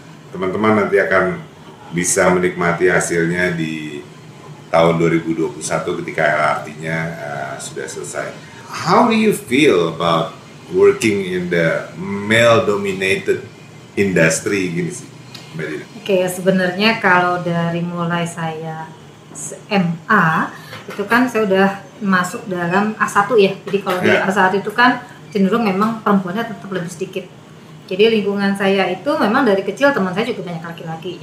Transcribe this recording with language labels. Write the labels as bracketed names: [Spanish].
[Indonesian] Teman-teman nanti akan bisa menikmati hasilnya di tahun 2021 ketika LRT-nya sudah selesai. [English] How do you feel about working in the male-dominated industri [Indonesian] gini sih, Mbak Dina? Oke, sebenarnya kalau dari mulai saya SMA itu kan saya udah masuk dalam A1 ya. Jadi kalau di A1 itu kan cenderung memang perempuannya tetap lebih sedikit. Jadi lingkungan saya itu memang dari kecil teman saya juga banyak laki-laki.